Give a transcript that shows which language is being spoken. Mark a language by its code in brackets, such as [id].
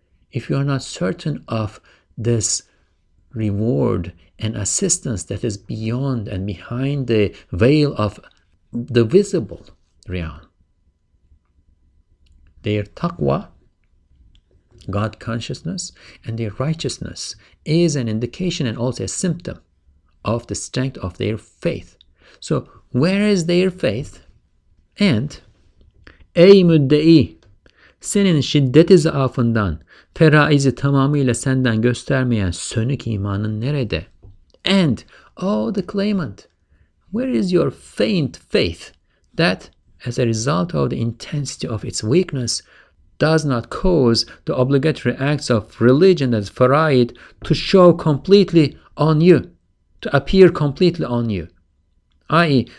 [en] If you are not certain of this reward and assistance that is beyond and behind the veil of the visible realm. Their taqwa, God consciousness, and their righteousness is an indication and also a symptom of the strength of their faith. So where is their faith? [tr] And ey müddei, senin şiddeti zaafından feraizi tamamıyla senden göstermeyen sönük imanın nerede? [en] And oh, the claimant, where is your faint faith that as a result of the intensity of its weakness does not cause the obligatory acts of religion as faraid to show completely on you, to appear completely on you, i.e.